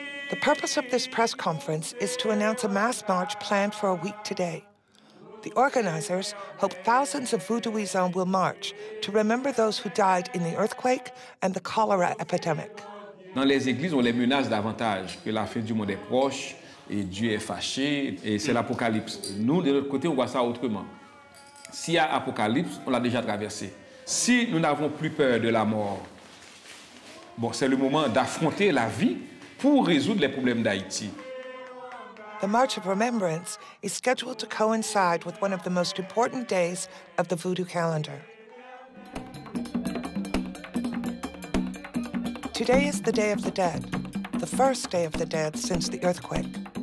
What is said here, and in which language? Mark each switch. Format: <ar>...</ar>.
<en>The purpose of this press conference is to announce a mass march planned for a week today. The organizers hope thousands of Voodooisans will march to remember those who died in the earthquake and the cholera epidemic.</en> <fr>Dans les églises, on les menace davantage que la fin du monde est proche et Dieu est fâché et c'est l'apocalypse. Nous, de l'autre côté, on voit ça autrement. S'il y a apocalypse, on l'a déjà traversé. Si nous n'avons plus peur de la mort, bon, c'est le moment d'affronter la vie pour résoudre les problèmes d'Haïti.</fr> <en>The March of Remembrance is scheduled to coincide with one of the most important days of the Voodoo calendar. Today is the Day of the Dead, the first Day of the Dead since the earthquake.</en>